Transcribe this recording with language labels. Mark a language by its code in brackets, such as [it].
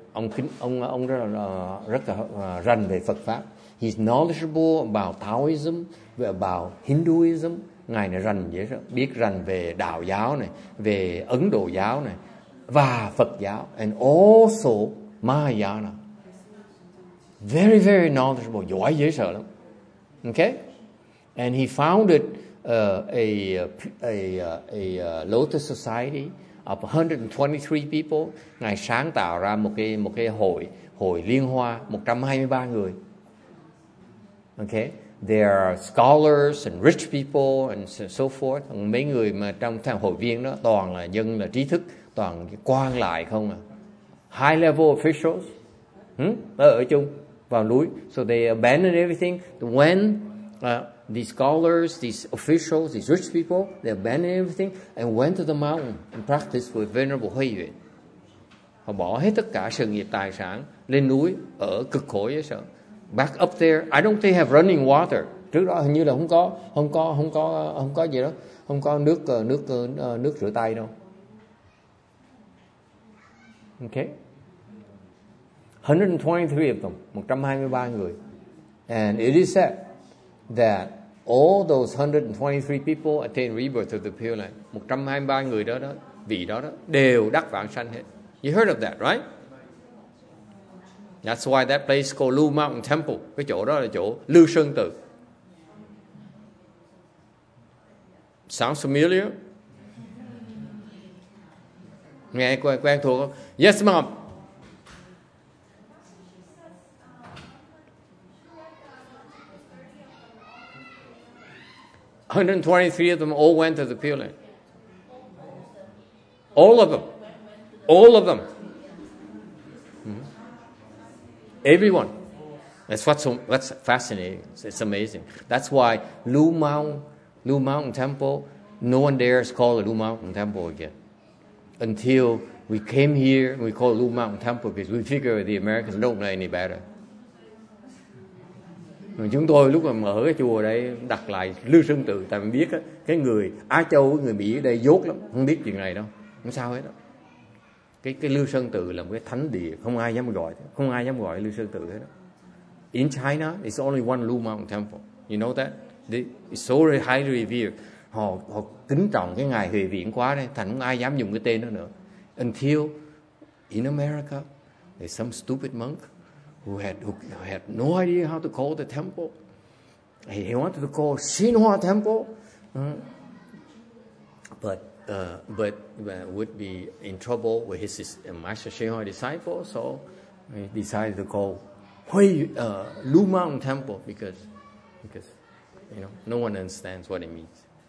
[vi] ông rất là rành về Phật pháp. [en] He's knowledgeable about Taoism, about Hinduism. [vi] Ngài này rành dễ biết rành về đạo giáo này, về Ấn Độ giáo này và Phật giáo, [en] and also Mahayana. Very very knowledgeable, [vi] giỏi dễ sợ lắm. [en] Okay, and he founded a Lotus Society of 123 people. [vi] Ngài sáng tạo ra một cái hội liên hoa 123 người. [en] Okay, there are scholars and rich people and so forth. [vi] Mấy người mà trong thằng hội viên đó toàn là dân là trí thức, toàn quan lại không à. [en] High level officials, [vi] ở chung vào núi. [en] So they abandoned everything when these scholars, these officials, these rich people, they abandoned everything and went to the mountain and practiced with Venerable Huy Yuen. [vi] Họ bỏ hết tất cả sự nghiệp tài sản lên núi ở cực khổ với sợ. [en] Back up there, I don't think they have running water. [vi] Trước đó hình như là không có gì đó, không có nước rửa tay đâu. [en] Okay. 123 of them, 123 người. And it is said that all those 123 people attained rebirth of the Pure Land. [vi] 123 người đó, vị đó, đều đắc vãng sanh hết. [en] You heard of that, right? That's why that place called Lu Mountain Temple. [vi] Cái chỗ đó là chỗ Lư Sơn Tự. [en] Sounds familiar? [vi] Nghe quen thuộc không? [en] Yes, mom. Of them all went to the Pure Land. All of them. Everyone. That's fascinating. It's amazing. That's why Lu Mountain Temple, no one dares call it Lu Mountain Temple again. Until we came here, we call it Lu Mountain Temple because we figure the Americans don't know any better. [vi] Chúng tôi lúc mà mở cái chùa đây đặt lại Lư Sơn Tự, tại mình biết á, cái người Á Châu, người Mỹ ở đây dốt lắm, không biết chuyện này đâu, không sao hết đó. Cái Lư Sơn Tự là một cái thánh địa, không ai dám gọi Lư Sơn Tự hết đó. [en] In China, it's only one Lu Mountain Temple. You know that? It's so highly revered. [vi] Họ kính trọng cái ngài Huệ Viễn quá đấy, thành không ai dám dùng cái tên đó nữa. [en] Until in America, there's some stupid monk who had no idea how to call the temple. He wanted to call Xinhua Temple. But would be in trouble with his master Xinhua disciple, so he decided to call Lu Mountain Temple because you know no one understands what it means.